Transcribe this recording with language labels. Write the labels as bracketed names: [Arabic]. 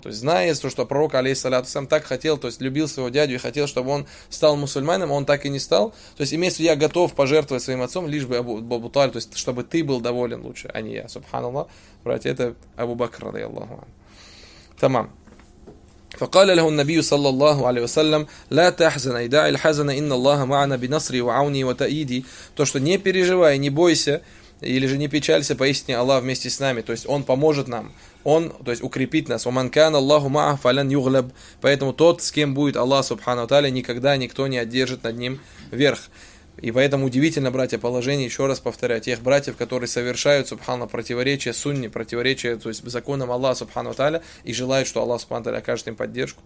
[Russian] То есть, зная то, что пророк, алейхиссалату ассалям, так хотел, то есть, любил своего дядю и хотел, чтобы он стал мусульманином, он так и не стал. То есть, имеется в виду, я готов пожертвовать своим отцом, лишь бы Абу Талиб, то есть, чтобы ты был доволен лучше, а не я, субханаллах. Братья, это Абу Бакр, радиаллаху анху. Тамам. [Arabic] فقال له النبي صلى الله عليه وسلم لا تحزن اي دع الحزن ان الله معنا بنصري وعوني وتأييدي. [Russian] То, что не переживай, не бойся, или же не печалься, поистине Аллах вместе с нами, то есть он поможет нам, он, то есть укрепит нас. [Arabic] وَمَنْ كَانَ اللَّهُ مَعَهُ فَلَنْ يُغْلَبْ. [Russian] Поэтому тот, с кем будет Аллах, субханаху тааля, никогда никто не одержит над ним верх. И поэтому удивительно, братья, положение, еще раз повторяю, тех братьев, которые совершают, субханна, противоречие сунне, противоречие, то есть, законам Аллаха, субхану тааля, и желают, что Аллах, субхану тааля, окажет им поддержку.